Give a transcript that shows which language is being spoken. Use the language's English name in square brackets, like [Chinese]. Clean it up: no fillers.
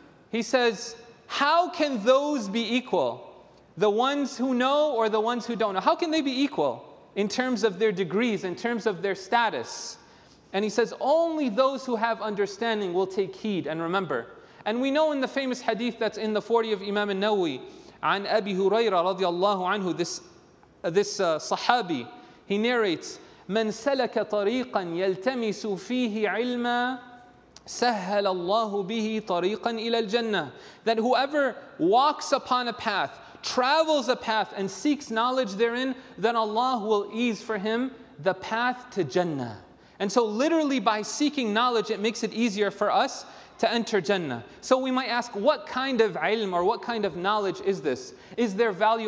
[English] He says, how can those be equal? The ones who know or the ones who don't know? How can they be equal in terms of their degrees, in terms of their status? And he says, only those who have understanding will take heed and remember. And we know in the famous hadith that's in the 40 of Imam an-Nawawi, [Arabic] عن أبي هريرة رضي الله عنه, [English] this Sahabi, he narrates, [Arabic] مَنْ سَلَكَ طَرِيقًا يَلْتَمِسُ فِيهِ عِلْمًا سَهَّلَ اللَّهُ بِهِ طَرِيقًا إِلَى الْجَنَّةِ. [English] That whoever walks upon a path, travels a path, and seeks knowledge therein, then Allah will ease for him the path to Jannah. And so literally by seeking knowledge, it makes it easier for us to enter Jannah. So we might ask, what kind of ilm or what kind of knowledge is this? Is there value?